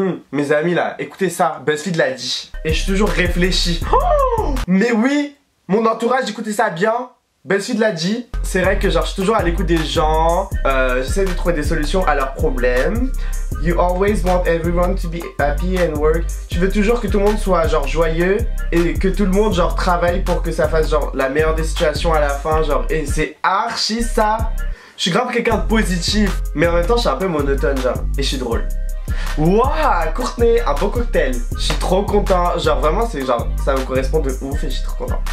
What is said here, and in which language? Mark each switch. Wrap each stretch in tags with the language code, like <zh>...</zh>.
<fr>Mes amis là, écoutez ça, BuzzFeed l'a dit. Et je suis toujours réfléchi. Oh mais oui, mon entourage, écoutez ça bien. Belle-suite l'a dit, c'est vrai que genre je suis toujours à l'écoute des gens, j'essaie de trouver des solutions à leurs problèmes.</fr> <en>You always want everyone to be happy and work.</en> <fr>Tu veux toujours que tout le monde soit genre joyeux et que tout le monde genre travaille pour que ça fasse genre la meilleure des situations à la fin, genre, et c'est archi ça. Je suis grave quelqu'un de positif, mais en même temps je suis un peu monotone genre, et je suis drôle. Wouah, Courtney, un beau cocktail. Je suis trop content, genre vraiment c'est genre ça me correspond de ouf et je suis trop content.</fr>